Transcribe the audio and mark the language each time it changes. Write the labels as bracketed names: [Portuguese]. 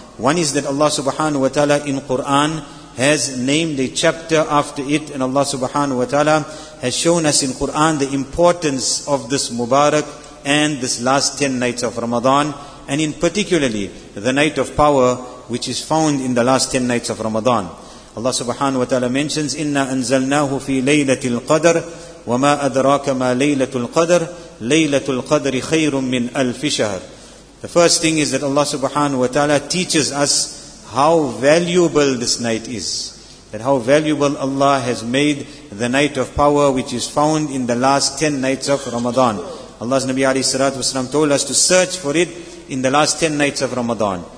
[English] One is that Allah subhanahu wa ta'ala in Quran has named a chapter after it, and Allah subhanahu wa ta'ala has shown us in Quran the importance of this Mubarak and this last 10 nights of Ramadan, and in particularly the night of power which is found in the last 10 nights of Ramadan. Allah subhanahu wa ta'ala mentions, [Arabic] إِنَّا أَنزَلْنَاهُ فِي لَيْلَةِ الْقَدْرِ وَمَا أَدْرَاكَ مَا لَيْلَةُ الْقَدْرِ لَيْلَةُ الْقَدْرِ خَيْرٌ مِّنْ أَلْفِ شَهْرٍ. [English] The first thing is that Allah subhanahu wa ta'ala teaches us how valuable this night is. That how valuable Allah has made the night of power which is found in the last 10 nights of Ramadan. Allah's Nabi alayhi salatu wasalam told us to search for it in the last 10 nights of Ramadan.